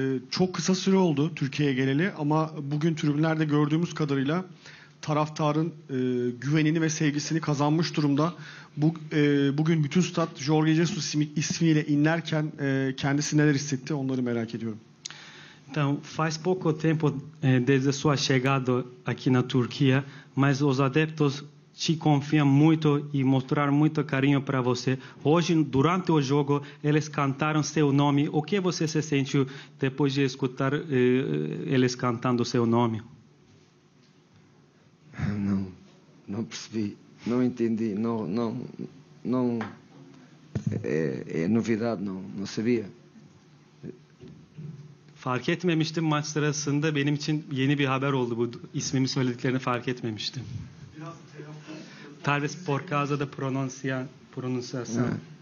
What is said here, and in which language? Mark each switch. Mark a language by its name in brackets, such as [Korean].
[Turkish] Çok kısa süre oldu Türkiye'ye geleli ama bugün tribünlerde gördüğümüz kadarıyla taraftarın güvenini ve sevgisini kazanmış durumda. Bugün bütün stat Jorge Jesus ismiyle inlerken kendisi neler hissetti, onları merak ediyorum. [Portuguese] Então, faz pouco tempo desde sua chegada aqui na Turquia, mas os adeptos te confiam muito e mostraram muito carinho para você. Hoje, durante o jogo, eles cantaram seu nome. O que você se sentiu depois de escutar eles cantando seu nome? Não percebi, não entendi, não é novidade, não sabia. [Turkish] Fark etmemiştim maç sırasında, benim için yeni bir haber oldu bu, ismimi söylediklerini fark etmemiştim. [Portuguese] Talvez por causa da pronunciação.